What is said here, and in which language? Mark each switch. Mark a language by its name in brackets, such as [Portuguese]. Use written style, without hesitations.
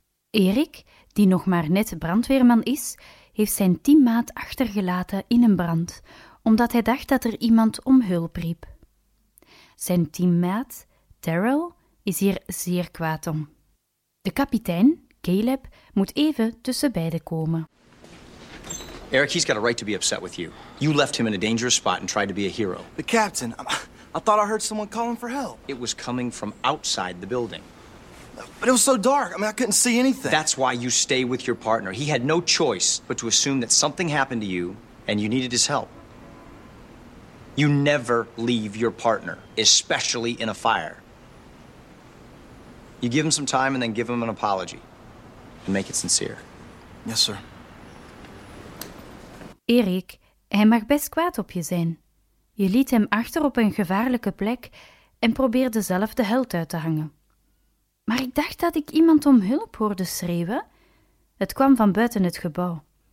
[Dutch] Erik, die nog maar net brandweerman is, heeft zijn teammaat achtergelaten in een brand, omdat hij dacht dat er iemand om hulp riep. Zijn teammaat, Daryl, is hier zeer kwaad om. De kapitein, Caleb, moet even tussen beiden komen. [English] Eric, he's got a right to be upset with you. You left him in a dangerous spot and tried to be a hero. The captain, I thought I heard someone calling for help. It was coming from outside the building. But it was so dark. I mean, I couldn't see anything. That's why you stay with your partner. He had no choice but to assume that something happened to you and you needed his help. You never leave your partner, especially in a fire. You give him some time and then give him an apology. And make it sincere. Yes, sir. [Dutch] Erik, hij mag best kwaad op je zijn. Je liet hem achter op een gevaarlijke plek en probeerde zelf de held uit te hangen. Maar ik dacht dat ik iemand om hulp hoorde schreeuwen. Het kwam van buiten het gebouw.